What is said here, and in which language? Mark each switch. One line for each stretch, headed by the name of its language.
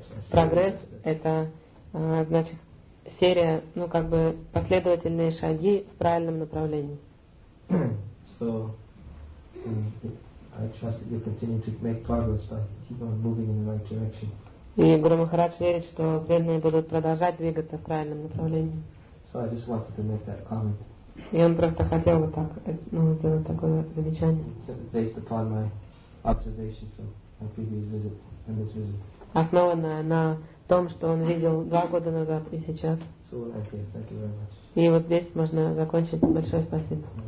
Russian: Прогресс — это, значит, серия, ну как бы последовательные шаги в правильном направлении.
English: So I trust that you continue to make progress by keep on moving in the right direction.
Russian: И Гуру Махарадж верит, что преданные будут продолжать двигаться в правильном направлении.
English: So I just wanted to make that comment.
Russian: И он просто хотел вот так, ну, сделать такое замечание.
English: Based upon my observation from my previous visit and this visit.
Russian: Основанное на том, что он видел два года назад и сейчас.
English: Thank you
Russian: и вот здесь можно закончить. Большое спасибо.